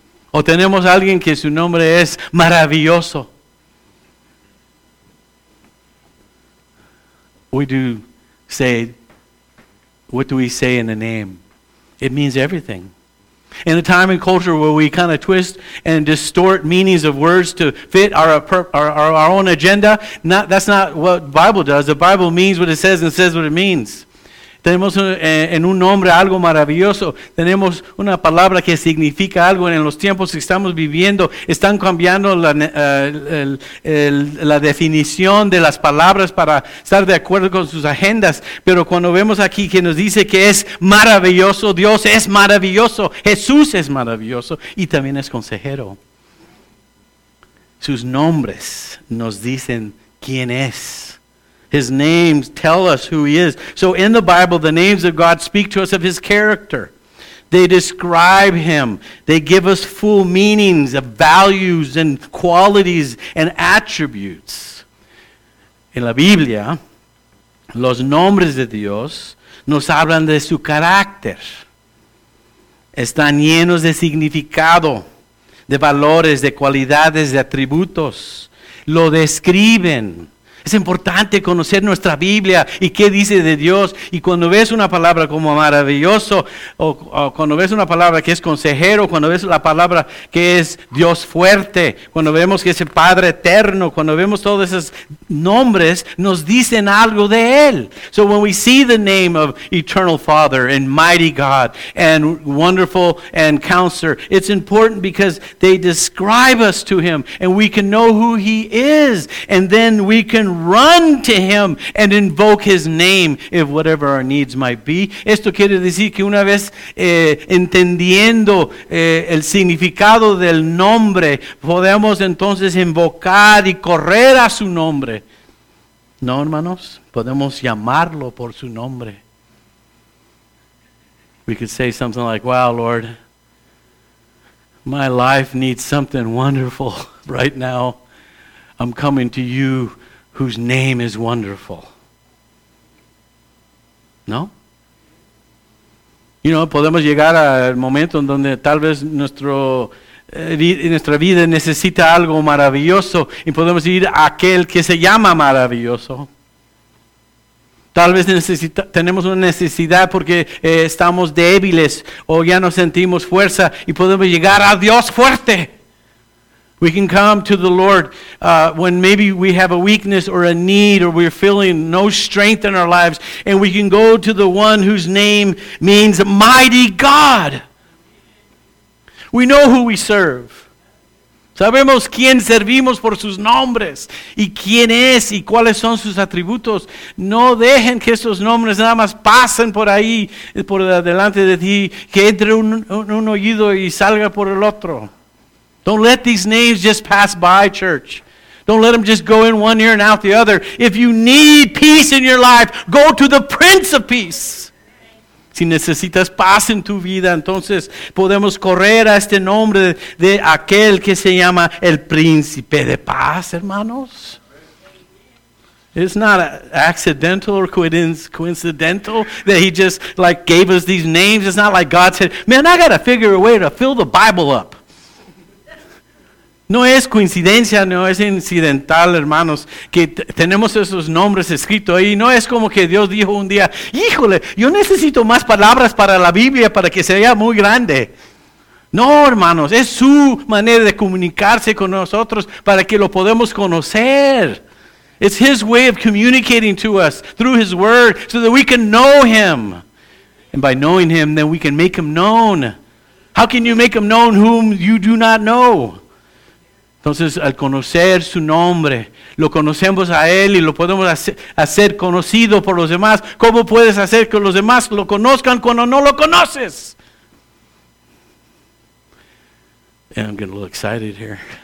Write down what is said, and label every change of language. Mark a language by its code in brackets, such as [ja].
[es] O tenemos alguien que su nombre es maravilloso. [en] We do say, what do we say in a name? It means everything. In a time and culture where we kind of twist and distort meanings of words to fit our own agenda, that's not what the Bible does. The Bible means what it says and says what it means. [es] Tenemos en un nombre algo maravilloso. Tenemos una palabra que significa algo. En los tiempos que estamos viviendo, están cambiando la definición de las palabras para estar de acuerdo con sus agendas. Pero cuando vemos aquí que nos dice que es maravilloso, Dios es maravilloso, Jesús es maravilloso y también es consejero. Sus nombres nos dicen quién es. [en] His names tell us who he is. So in the Bible, the names of God speak to us of his character. They describe him. They give us full meanings of values and qualities and attributes. [es] En la Biblia, los nombres de Dios nos hablan de su carácter. Están llenos de significado, de valores, de cualidades, de atributos. Lo describen. Es importante conocer nuestra Biblia y qué dice de Dios. Y cuando ves una palabra como maravilloso, o cuando ves una palabra que es consejero, cuando ves la palabra que es Dios fuerte, cuando vemos que es el Padre eterno, cuando vemos todos esos nombres, nos dicen algo de Él. [en] So when we see the name of Eternal Father and Mighty God and Wonderful and Counselor, it's important because they describe us to Him and we can know who He is, and then we can run to Him and invoke His name if whatever our needs might be. [es] Esto quiere decir que una vez entendiendo el significado del nombre, podemos entonces invocar y correr a su nombre. No, hermanos, podemos llamarlo por su nombre. [en] We could say something like, wow, Lord, my life needs something wonderful right now. I'm coming to you whose name is wonderful. [es] ¿No? [en] You know, [es] podemos llegar al momento en donde tal vez nuestra vida necesita algo maravilloso y podemos ir a aquel que se llama maravilloso. Tal vez tenemos una necesidad porque estamos débiles o ya no sentimos fuerza y podemos llegar a Dios fuerte. [en] We can come to the Lord when maybe we have a weakness or a need or we're feeling no strength in our lives, and we can go to the one whose name means Mighty God. We know who we serve. [es] Sabemos quién servimos por sus nombres y quién es y cuáles son sus atributos. No dejen que esos nombres nada más pasen por ahí, por delante de ti, que entre un oído y salga por el otro. [en] Don't let these names just pass by, church. Don't let them just go in one ear and out the other. If you need peace in your life, go to the Prince of Peace. [es] Si necesitas paz en tu vida, entonces podemos correr a este nombre de aquel que se llama el Príncipe de Paz, hermanos. [en] It's not accidental or coincidental that He just like gave us these names. It's not like God said, man, I got to figure a way to fill the Bible up. [es] No es coincidencia, no es incidental, hermanos, que tenemos esos nombres escritos ahí. No es como que Dios dijo un día, híjole, yo necesito más palabras para la Biblia para que sea muy grande. No, hermanos, es su manera de comunicarse con nosotros para que lo podamos conocer. [en] It's His way of communicating to us through His Word so that we can know Him. And by knowing Him, then we can make Him known. How can you make Him known whom you do not know? [es] Entonces, al conocer su nombre, lo conocemos a Él y lo podemos hacer conocido por los demás. ¿Cómo puedes hacer que los demás lo conozcan cuando no lo conoces? [en] And I'm getting a little excited here.